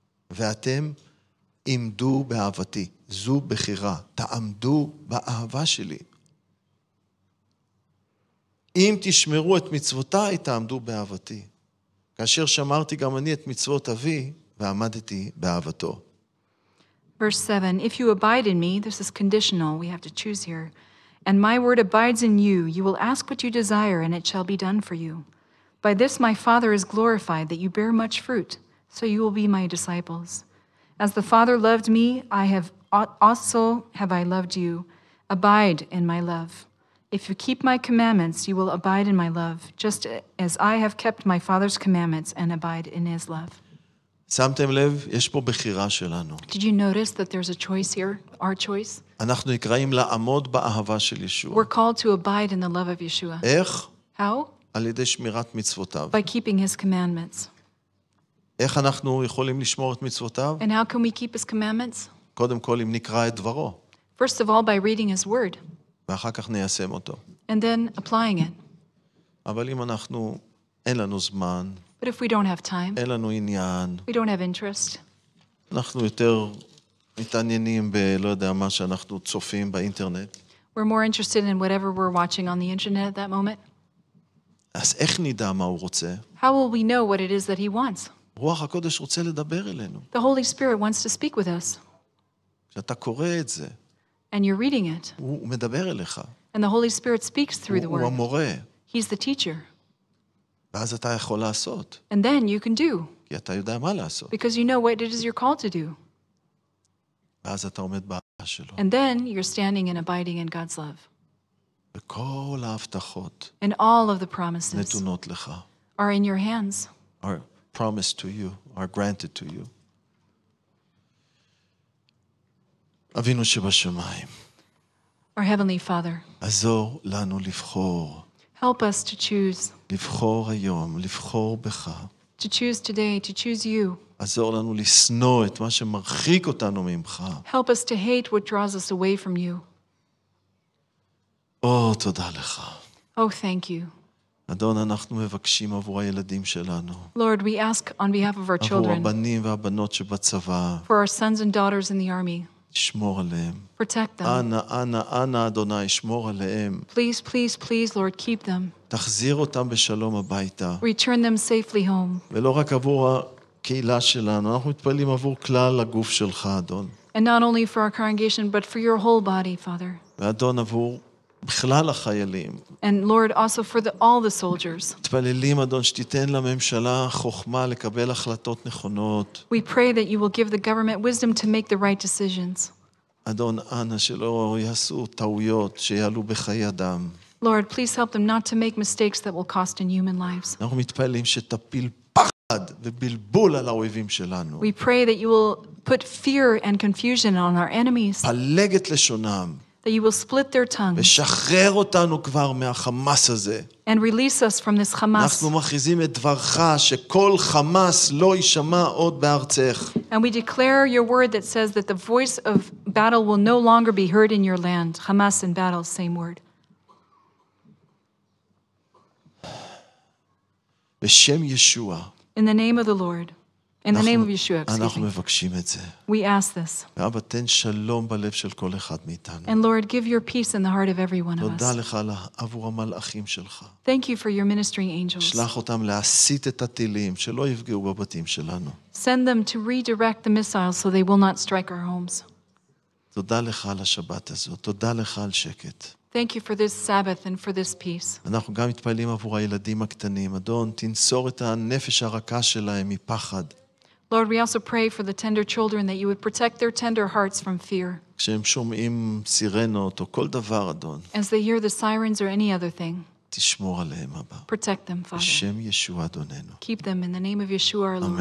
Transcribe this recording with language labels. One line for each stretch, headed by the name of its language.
Hebrew: ואתם עמדו באהבתי. זו בחירה. תעמדו באהבה שלי. אם תשמרו את מצוותיי, תעמדו באהבתי. כאשר שמרתי גם אני את מצוות אבי, ועמדתי באהבתו.
English: Verse 7, if you abide in me, this is conditional, we have to choose here, and my word abides in you, you will ask what you desire, and it shall be done for you. By this my Father is glorified, that you bear much fruit, so you will be my disciples. As the Father loved me, I have also have I loved you. Abide in my love. If you keep my commandments, you will abide in my love, just as I have kept my Father's commandments and abide in his love.
Hebrew: שמתם לב, יש פה בחירה שלנו.
English: Did you notice that there's a choice here, our choice?
Hebrew: אנחנו נקראים לעמוד באהבה של ישוע.
English: We're called to abide in the love of Yeshua.
Hebrew: איך?
English: How?
Hebrew: על ידי שמירת מצוותיו.
English: By keeping his commandments.
Hebrew: איך אנחנו יכולים לשמור את מצוותיו?
English: And how can we keep his commandments?
Hebrew: קודם כל, אם נקרא את דברו.
English: First of all, by reading his word.
Hebrew: ואחר כך ניישם אותו.
English: And then applying it.
Hebrew: אבל אם אנחנו, אין לנו זמן...
English: But if we don't have time,
Hebrew: אין לנו עניין,
English: we don't have interest.
Hebrew: אנחנו יותר מתעניינים בלא יודע מה שאנחנו צופים באינטרנט.
English: We're more interested in whatever we're watching on the internet at that moment.
Hebrew: אז איך נדע מה הוא רוצה?
English: How will we know what it is that he wants?
Hebrew: רוח הקודש רוצה לדבר אלינו.
English: The Holy Spirit wants to speak with us.
Hebrew: כשאתה קורא את זה,
English: and you're reading it,
Hebrew: הוא מדבר אליך.
English: And the Holy Spirit speaks through the word.
Hebrew: הוא המורה.
English: He's the teacher.
Hebrew: ואז אתה יכול לעשות.
English: And then you can do.
Hebrew: כי אתה יודע מה לעשות.
English: Because you know what it is you're called to do.
Hebrew: ואז אתה עומד באהבה שלו.
English: And then you're standing and abiding in God's love.
Hebrew: וכל ההבטחות.
English: And all of the promises.
Hebrew: נתונות לך.
English: Are in your hands. Are promised to you. Are granted to you.
Hebrew: אבינו שבשמיים.
English: Our heavenly Father.
Hebrew: עזור לנו לבחור.
English: Help us to choose.
Hebrew: לבחור היום, לבחור בך.
English: To choose today, to choose you.
Hebrew: עזור לנו לשנוא את מה שמרחיק אותנו ממך.
English: Help us to hate what draws us away from you.
Hebrew: תודה לך.
English: Oh, thank you.
Hebrew: אדון, אנחנו מבקשים עבור הילדים שלנו.
English: Lord, we ask on behalf of our children.
Hebrew: עבור הבנים והבנות שבצבא.
English: For our sons and daughters in the army.
Hebrew: שמור עליהם.
English: Protect them.
Hebrew: אנא, אנא, אנא, אדוני, שמור עליהם.
English: Please, please, please, Lord, keep them.
Hebrew: תחזיר אותם בשלום הביתה.
English: Return them safely home.
Hebrew: ולא רק עבור הקהילה שלנו, אנחנו מתפללים עבור כלל הגוף שלך, אדון.
English: And not only for our congregation, but for your whole body, Father.
Hebrew: ואדון, עבור בכלל החיילים.
English: And Lord, also for all the soldiers.
Hebrew: מתפללים, אדון, שתיתן לממשלה חוכמה לקבל החלטות נכונות.
English: We pray that you will give the government wisdom to make the right decisions.
Hebrew: אדון, אנא, שלא יעשו טעויות שיעלו בחיי אדם.
English: Lord, please help them not to make mistakes that will cost in human lives.
Hebrew: אנחנו מתפללים שתפיל פחד ובלבול על האויבים שלנו.
English: We pray that you will put fear and confusion on our enemies.
Hebrew: פלגת לשונם.
English: That you will split their tongues.
Hebrew: ושחרר אותנו כבר מהחמאס הזה.
English: And release us from this חמאס.
Hebrew: אנחנו מכריזים את דברך שכל חמאס לא ישמע עוד בארצך.
English: And we declare your word that says that the voice of battle will no longer be heard in your land. חמאס and battle, same word.
Hebrew: בשם ישוע.
English: In the name of the Lord. In the name of Yeshua, excuse
Hebrew: אנחנו מבקשים את זה.
English: We ask this.
Hebrew: ואבא, תן שלום בלב של כל אחד מאיתנו.
English: And Lord, give your peace in the heart of every one of us.
Hebrew: תודה לך עבור המלאכים שלך.
English: Thank you for your ministering angels.
Hebrew: שלח אותם להסיט את הטילים, שלא יפגעו בבתים שלנו.
English: Send them to redirect the missiles so they will not strike our homes.
Hebrew: תודה לך על השבת הזאת. תודה לך על שקט.
English: Thank you for this Sabbath and for this peace.
Hebrew: אנחנו גם מתפללים עבור הילדים הקטנים. אדון, תנסור את הנפש הרכה שלהם מפחד.
English: Lord, we also pray for the tender children that you would protect their tender hearts from fear.
Hebrew: כשהם שומעים סירנות או כל דבר, אדון.
English: As they hear the sirens or any other thing.
Hebrew: תשמור עליהם, אבא.
English: Protect them, Father.
Hebrew: בשם ישוע אדוננו.
English: Keep them in the name of Yeshua, our Lord.